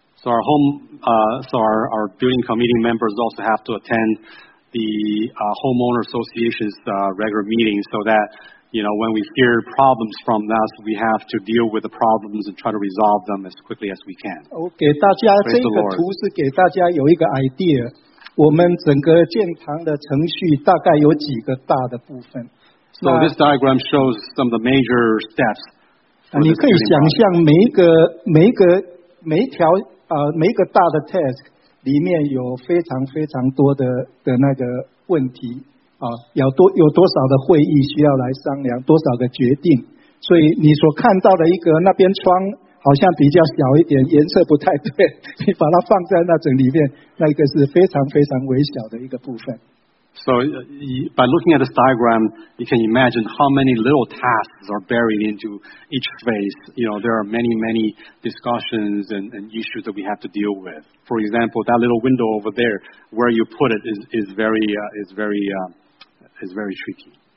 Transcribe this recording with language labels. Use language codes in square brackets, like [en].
[en] So our home, our building committee members also have to attend the homeowner association's regular meetings, so that you know when we hear problems from us, we have to deal with the problems and try to resolve them as quickly as we can. [zh] 我给大家这个图是给大家有一个 idea。我们整个建堂的程序大概有几个大的部分。 [en] So this diagram shows some of the major steps. [zh] 你可以想象每一个大的 task 里面有非常非常多的那个问题啊，有多少的会议需要来商量，多少个决定。所以你所看到的一个那边窗。好像比较小一点，颜色不太对。你把它放在那整里面，那个是非常非常微小的一个部分。 [en] So, by looking at this diagram, you can imagine how many little tasks are buried into each phase. You know, there are many, many discussions and issues that we have to deal with. For example, that little window over there, where you put it is very tricky.